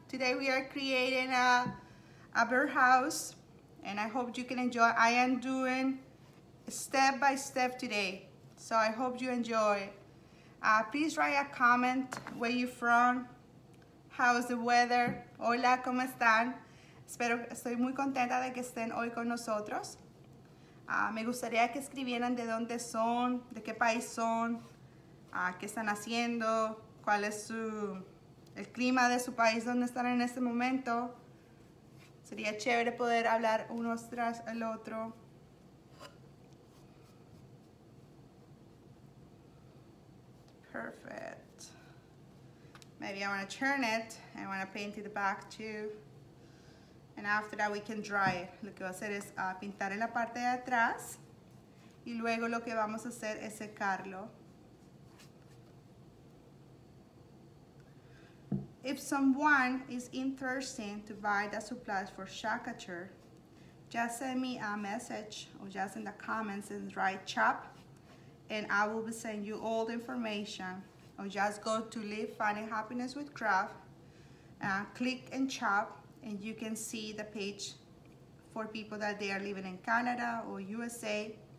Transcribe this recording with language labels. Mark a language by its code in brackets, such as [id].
[en] Today we are creating a birdhouse, and I hope you can enjoy. I am doing step by step today, so I hope you enjoy. Please write a comment where you're from, how is the weather? [es] Hola, ¿cómo están? Estoy muy contenta de que estén hoy con nosotros. Me gustaría que escribieran de dónde son, de qué país son. ¿Qué están haciendo? ¿Cuál es el clima de su país donde están en este momento? Sería chévere poder hablar unos tras el otro. [en] Perfect. Maybe I want to turn it. I want to paint it the back too. And after that we can dry it. [es] Lo que voy a hacer es pintar en la parte de atrás. Y luego lo que vamos a hacer es secarlo. [en] If someone is interested to buy the supplies for Shakature, just send me a message or just in the comments and write CHOP and I will be sending you all the information. Or just go to Live Fun and Happiness with Craft, click in CHOP and you can see the page for people that they are living in Canada or USA.